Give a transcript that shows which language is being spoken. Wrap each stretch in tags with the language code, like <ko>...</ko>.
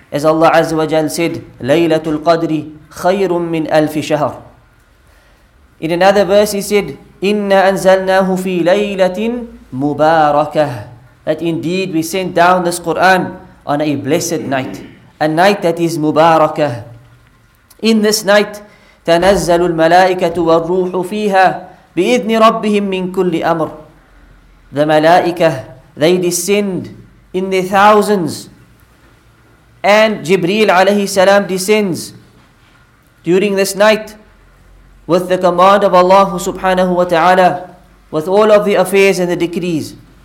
<en>As Allah Azza wa Jal said, Laylatul Qadri khayrun min alfi shahr. In another verse he said, Inna anzalnahu fi laylatin mubarakah. That indeed we sent down this Quran on a blessed night, a night that is mubarakah. In this night,</en> <ar>تنزل الملائكة والروح فيها بإذن ربهم من كل أمر.</ar> <en>The ملائكة, they descend in the thousands, and Jibreel عليه السلام descends during this night with the command of Allah subhanahu wa ta'ala, with all of the affairs and the decrees.</en>